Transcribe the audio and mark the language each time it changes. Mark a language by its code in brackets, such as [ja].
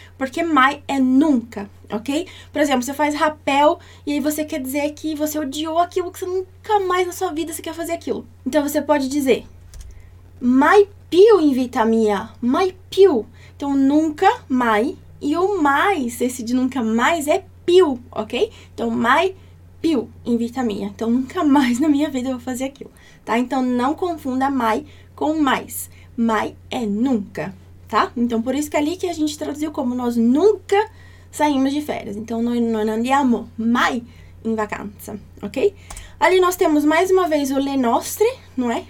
[pt] Porque mai é nunca, ok? Por exemplo, você faz rapel e aí você quer dizer que você odiou aquilo, que você nunca mais na sua vida você quer fazer aquilo. [it] Então você pode dizer: mai più in vita mia, mai più. [pt] Então nunca, mai. E o mais, esse de nunca mais é più, ok? [it] Então mai più in vita mia. [pt] Então nunca mais na minha vida eu vou fazer aquilo, tá? Então não confunda mai com mais. Mai é nunca, tá? Então, por isso que ali que a gente traduziu como nós nunca saímos de férias. Então, noi non andiamo mai in vacanza, ok? Ali, nós temos mais uma vez o le nostre, não é?